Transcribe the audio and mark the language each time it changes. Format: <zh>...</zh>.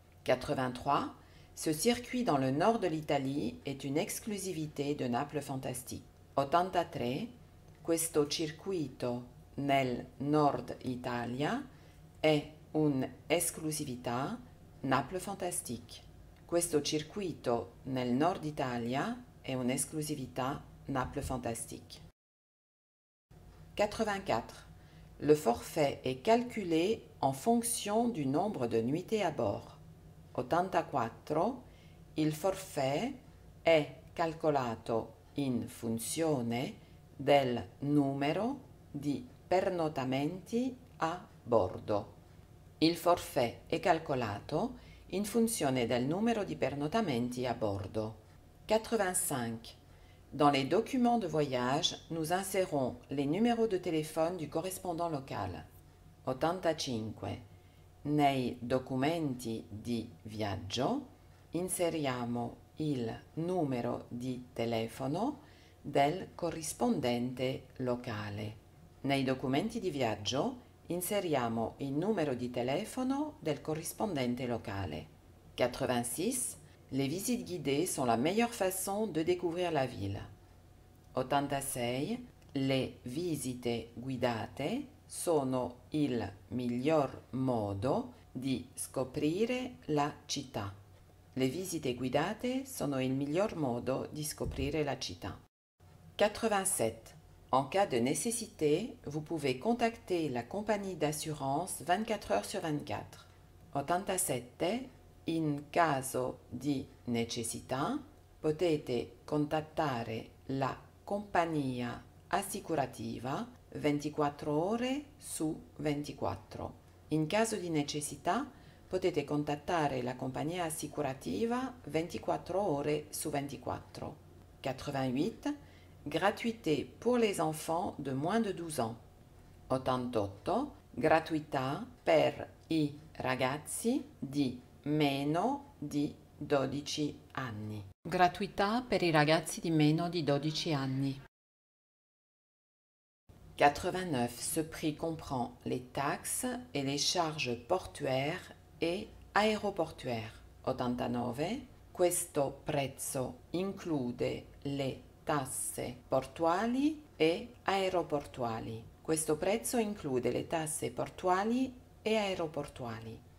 <fr>83. Ce circuit dans le nord de l'Italie est une exclusivité de Naples Fantastique.</fr> <it>83. Questo circuito nel nord Italia è un'esclusività Naples Fantastique. Questo circuito nel nord Italia è un'esclusività Naples Fantastique.</it> <fr>84. Le forfait est calculé en fonction du nombre de nuitées à bord.</fr> <it>84. Il forfait è calcolato in funzione del numero di pernottamenti a bordo. Il forfait è calcolato in funzione del numero di pernottamenti a bordo.</it> <fr>85. Dans les documents de voyage, nous insérons les numéros de téléphone du correspondant local.</fr> <it>85. Nei documenti di viaggio inseriamo il numero di telefono del corrispondente locale. Nei documenti di viaggio inseriamo il numero di telefono del corrispondente locale.</it> <fr>86. Les visites guidées sont la meilleure façon de découvrir la ville.</fr> <it>86. Les visite guidate sono il miglior modo di scoprire la città. Les visite guidate sono il miglior modo di scoprire la città.</it> <fr>87. En cas de nécessité, vous pouvez contacter la compagnie d'assurance 24 heures sur 24.</fr> <it>87. In caso di necessità, potete contattare la compagnia assicurativa 24 ore su 24. In caso di necessità, potete contattare la compagnia assicurativa 24 ore su 24.</it> <fr>88. Gratuité pour les enfants de moins de 12 ans.</fr> <it>88. Gratuità per i ragazzi di meno di 12 anni. Gratuità per i ragazzi di meno di 12 anni.</it> <fr>89. Ce prix comprend les taxes et les charges portuaires et aeroportuaires.</fr> <it>89. Questo prezzo include le tasse portuali e aeroportuali. Questo prezzo include le tasse portuali e aeroportuali.</it>